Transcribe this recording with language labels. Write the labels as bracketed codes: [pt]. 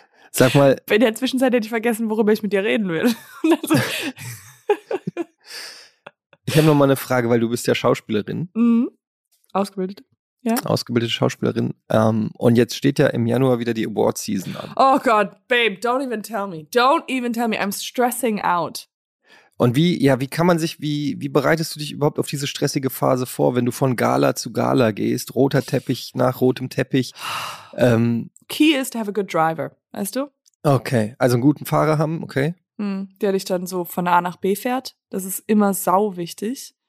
[de] Sag mal. In der Zwischenzeit hätte ich vergessen, worüber ich mit dir reden will. Also, ich habe nochmal eine Frage, weil du bist ja Schauspielerin. Ausgebildet. Ja. Ausgebildete Schauspielerin. Und jetzt steht ja im Januar wieder die Award-Season an. [en] Oh Gott, Babe, don't even tell me. I'm stressing out. [de] Und wie, ja, wie kann man sich, wie bereitest du dich überhaupt auf diese stressige Phase vor, wenn du von Gala zu Gala gehst, roter Teppich nach rotem Teppich? [en] Key is to have a good driver, [de] weißt du? Okay, also einen guten Fahrer haben, okay. Der dich dann so von A nach B fährt, das ist immer sau wichtig.